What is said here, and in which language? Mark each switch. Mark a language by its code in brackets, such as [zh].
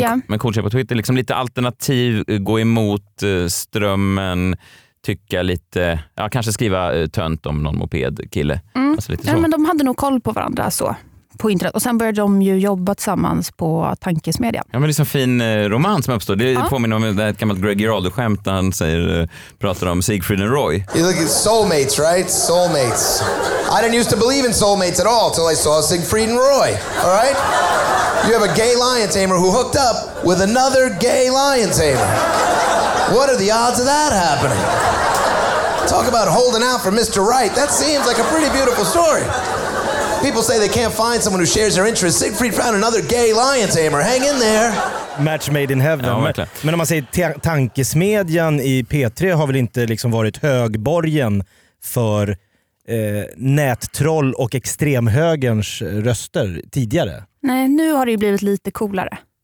[sv] Men coolt på Twitter, liksom lite alternativ, gå emot strömmen, tycka lite, ja, kanske skriva tönt om någon mopedkille. Alltså lite så. Ja, men de hade nog koll på varandra så på internet. Och sen började de ju jobba tillsammans på Tankesmedia. Ja, men det är så fin romans som uppstår. Det påminner om det gammalt Greg Giraldo-skämt när han säger, pratar om Siegfried and Roy. [en] You look at soulmates, right? Soulmates. I didn't used to believe in soulmates at all till I saw Siegfried and Roy. All right? You have a gay lion tamer who hooked up with another gay lion tamer. What are the odds of that happening? Talk about holding out for Mr. Right. That seems like a pretty beautiful story. People say they can't find someone who shares their interests. Siegfried found another gay lion tamer. Hang in there. Match made in heaven. [sv] Ja, men om man säger Tankesmedjan i P3 har väl inte liksom varit högborgen för nättroll och extremhögerns röster tidigare? Nej, nu har det ju blivit lite coolare.